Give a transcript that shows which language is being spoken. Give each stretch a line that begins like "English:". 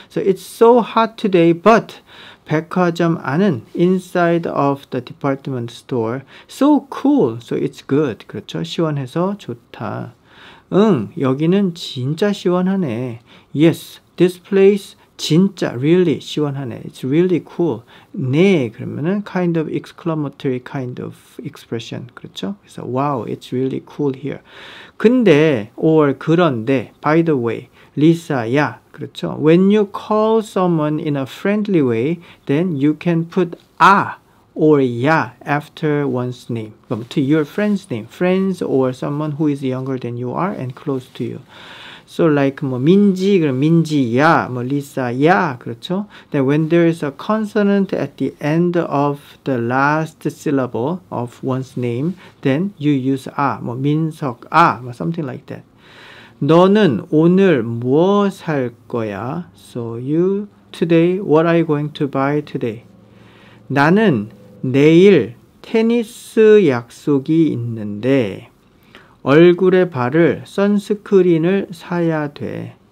English: So it's so hot today, but
Korean: 백화점 안은
English: inside of the department store so cool, so it's good.
Korean: 그렇죠? 시원해서 좋다. 응, 여기는 진짜 시원하네.
English: Yes, this place
Korean: 진짜
English: really
Korean: 시원하네.
English: It's really cool.
Korean: 네, 그러면은
English: kind of exclamatory kind of expression.
Korean: 그렇죠? 그래서
English: wow, it's really cool here.
Korean: 근데
English: or
Korean: 그런데
English: by the way, Lisa,
Korean: 야, 그렇죠?
English: When you call someone in a friendly way, then you can put a or ya after one's name. To your friend's name. Friends or someone who is younger than you are and close to you. So like
Korean: 뭐 민지 그럼 민지야 뭐 리사야 그렇죠?
English: Then when there is a consonant at the end of the last syllable of one's name, then you use
Korean: 아 뭐
English: 민석 아 뭐 something like that.
Korean: 너는 오늘 뭐 살 거야?
English: So you today what are you going to buy today?
Korean: 나는 내일 테니스 약속이 있는데 얼굴에 바를 선스크린을 사야 돼.